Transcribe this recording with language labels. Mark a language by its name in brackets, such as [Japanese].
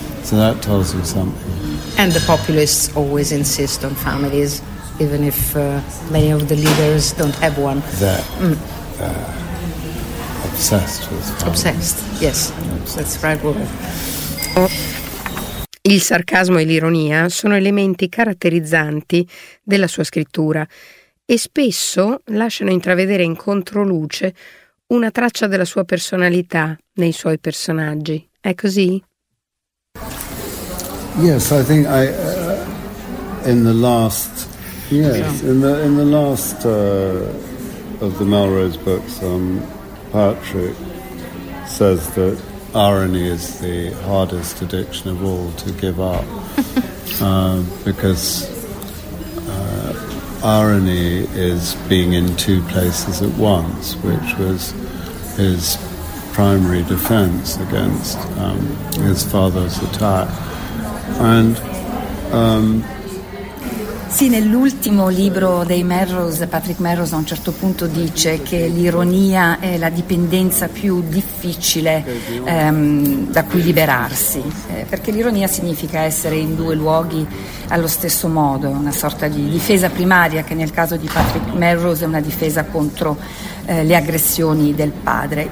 [English] So that tells you something. And the populists always insist on families, even if many of the leaders don't have one. They're obsessed with families. Obsessed, yes. Obsessed. That's right. [Italian] Il sarcasmo e l'ironia sono elementi caratterizzanti della sua scrittura e spesso lasciano intravedere in controluce una traccia della sua personalità nei suoi personaggi. È così? [English] Yes, I think I in the last of the Melrose books, Patrick says that irony is the hardest addiction of all to give up, because irony is being in two places at once, which was his primary defense against his father's attack. And [Italian] sì, nell'ultimo libro dei Melrose, Patrick Melrose a un certo punto dice che l'ironia è la dipendenza più difficile da cui liberarsi, perché l'ironia significa essere in due luoghi allo stesso modo, una sorta di difesa primaria che nel caso di Patrick Melrose è una difesa contro le aggressioni del padre.